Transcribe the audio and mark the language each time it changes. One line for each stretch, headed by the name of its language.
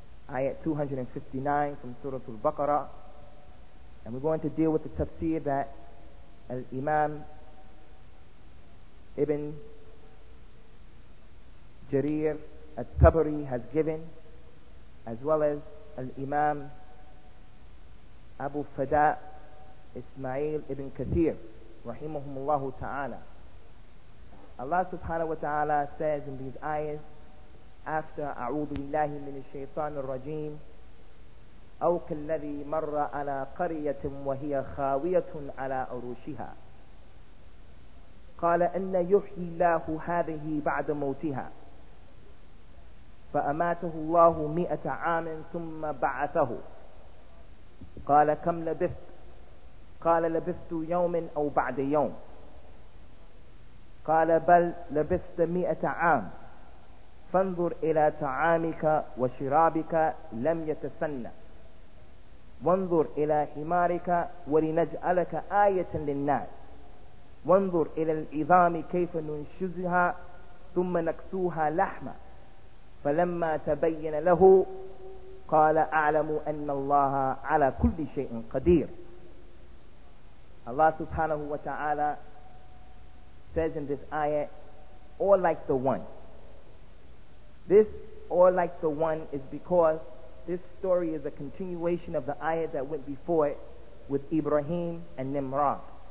English: Ayat 259 from Surah Al-Baqarah. And we're going to deal with the tafsir that Al-Imam Ibn Jarir At-Tabari has given, as well as Al-Imam Abu Fada Ismail Ibn Kathir Rahimahumullahu Ta'ala. Allah subhanahu wa ta'ala says in these ayahs, after
Arabic: أعوذ بالله من الشيطان الرجيم أو كالذي مر على قرية وهي خاوية على عروشها قال أن يحيي الله هذه بعد موتها فأماته الله 100 عام ثم بعثه قال كم لبثت قال لبثت يوما أو بعد يوم قال بل لبثت 100 عام فانظر إلى طعامك وشرابك لم يتسن وانظر إلى حمارك ولنجعلك آية للناس وانظر إلى العظام كيف ننشزها ثم نكسوها لحما فلما تبين له قال أعلم أن الله على كل شيء قدير. الله سبحانه وتعالى
English: says in this ayah, or like the one. This or like the one is because this story is a continuation of the ayah that went before it with Ibrahim and Nimrod.